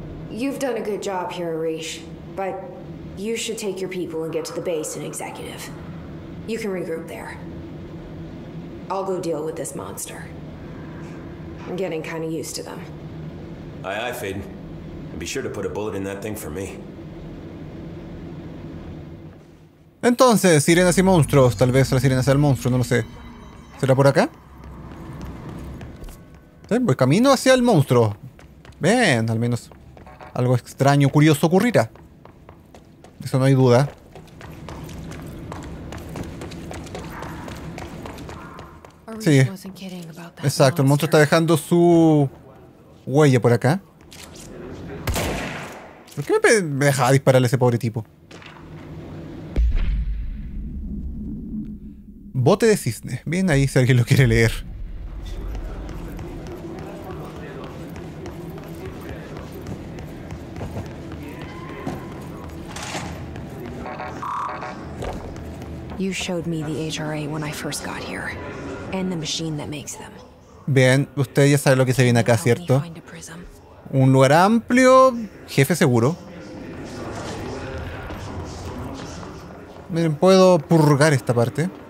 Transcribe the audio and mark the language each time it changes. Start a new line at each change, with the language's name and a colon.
English: You've done a good job here, Arish, but you should take your people and get to the base and executive. You can regroup there. I'll go deal with this monster. I'm getting kind of used to them. Aye, aye, Faden. And be sure to put a bullet in that thing for me.
Spanish: Entonces, sirenas y monstruos. Tal vez la sirena sea el monstruo, no lo sé. ¿Será por acá? Voy camino hacia el monstruo. Bien, al menos algo extraño, curioso ocurrirá. Eso no hay duda. Sí. Exacto, el monstruo está dejando su huella por acá. ¿Por qué me dejaba disparar a ese pobre tipo? Bote de cisne. Bien ahí si alguien lo quiere leer.
English: You showed me the HRA when I first got here, and the machine that makes them.
Spanish: Bien, usted ya sabe lo que se viene acá, ¿cierto? Un lugar amplio, jefe seguro. Miren, puedo purgar esta parte.